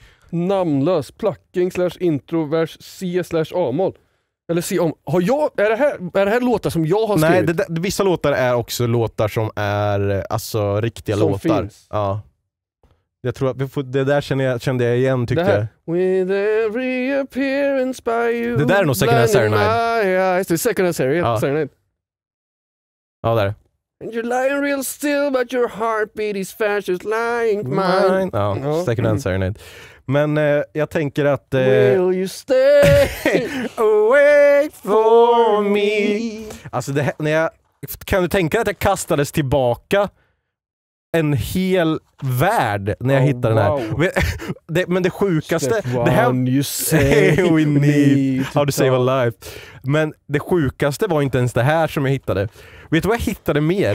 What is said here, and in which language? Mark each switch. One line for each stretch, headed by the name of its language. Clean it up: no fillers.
Swedish: Namnlös.
English: Plucking slash intro
Swedish: vers C slash A-moll. Eller C om. Har jag, är det här låtar som jag har skrivit? Nej, vissa låtar är också låtar som är alltså riktiga som låtar. Finns. Ja. Jag tror att vi får, det där kände jag igen, tyckte jag.
English: With every appearance by you.
Swedish: Det där är nog Second Hand Serenade. Det är Second Hand Serenade. Ja, där.
English: And you're lying real still, but your heartbeat is fast as lying mine.
Swedish: Ja, Second Hand Serenade. Men jag tänker att
English: will you stay away for me?
Swedish: Alltså, det här, när jag, kan du tänka dig att jag kastades tillbaka en hel värld när jag hittade den här. Men det sjukaste, det här,
English: you say we need how to save a life.
Swedish: Men det sjukaste var inte ens det här som jag hittade. Vet du vad jag hittade mer?